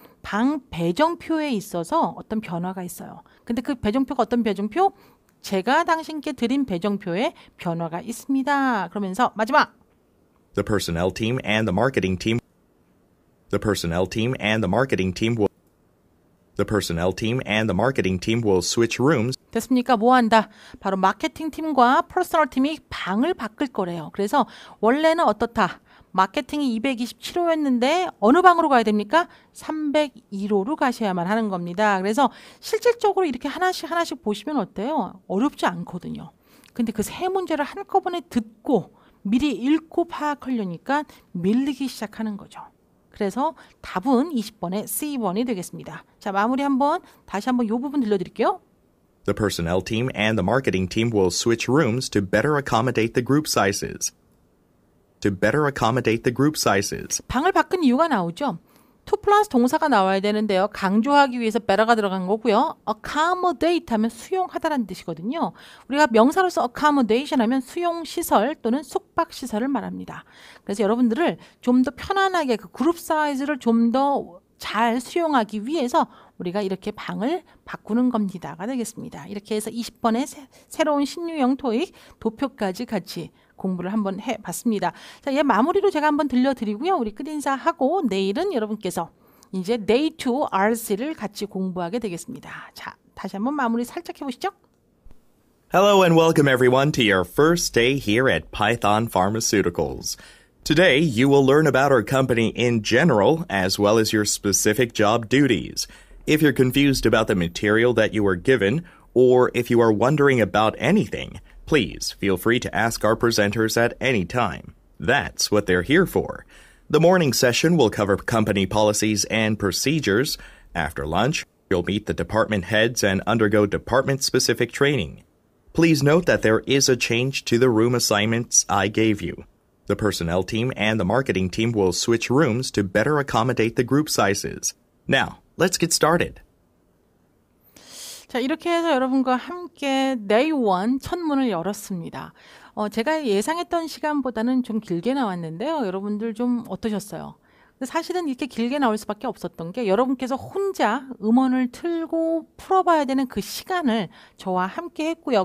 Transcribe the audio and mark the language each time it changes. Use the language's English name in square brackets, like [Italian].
[Korean] 방 배정표에 있어서 어떤 변화가 있어요. 근데 그 배정표가 어떤 배정표? 제가 당신께 드린 배정표에 변화가 있습니다. 그러면서 마지막. [English] The personnel team and the marketing team. The personnel team and the marketing team will. The personnel team and the marketing team will switch rooms. [Korean] 됐습니까? 뭐 한다? 바로 마케팅 팀과 퍼스널 팀이 방을 바꿀 거래요. 그래서 원래는 어떻다? 마케팅이 227호였는데 어느 방으로 가야 됩니까? 301호로 가셔야만 하는 겁니다. 그래서 실질적으로 이렇게 하나씩 보시면 어때요? 어렵지 않거든요. 근데 그 세 문제를 한꺼번에 듣고 미리 읽고 파악하려니까 밀리기 시작하는 거죠. 그래서 답은 20번의 C번이 되겠습니다. 자, 마무리 한번 다시 한번 요 부분 들려드릴게요. [English] The personnel team and the marketing team will switch rooms to better accommodate the group sizes. To better accommodate the group sizes. [Korean] 방을 바꾼 이유가 나오죠. 2 플러스 동사가 나와야 되는데요. 강조하기 위해서 better가 들어간 거고요. accommodate 하면 수용하다라는 뜻이거든요. 우리가 명사로서 accommodation 하면 수용시설 또는 숙박시설을 말합니다. 그래서 여러분들을 좀 더 편안하게 그 그룹 사이즈를 좀 더 잘 수용하기 위해서 우리가 이렇게 방을 바꾸는 겁니다가 되겠습니다. 이렇게 해서 20번의 새로운 신유형 토익 도표까지 같이 공부를 한번 해봤습니다. 자, 얘 마무리로 제가 한번 들려드리고요. 우리 끝인사하고 내일은 여러분께서 이제 Day 2 RC를 같이 공부하게 되겠습니다. 자, 다시 한번 마무리 살짝 해보시죠. [English] Hello and welcome everyone to your first day here at Python Pharmaceuticals. Today, you will learn about our company in general as well as your specific job duties. If you're confused about the material that you were given or if you are wondering about anything, please feel free to ask our presenters at any time. That's what they're here for. The morning session will cover company policies and procedures. After lunch, you'll meet the department heads and undergo department-specific training. Please note that there is a change to the room assignments I gave you. The personnel team and the marketing team will switch rooms to better accommodate the group sizes. Now, let's get started. [Korean] 자, 이렇게 해서 여러분과 함께 Day 1 첫 문을 열었습니다. 제가 예상했던 시간보다는 좀 길게 나왔는데요. 여러분들 좀 어떠셨어요? 사실은 이렇게 길게 나올 수밖에 없었던 게 여러분께서 혼자 음원을 틀고 풀어봐야 되는 그 시간을 저와 함께 했고요.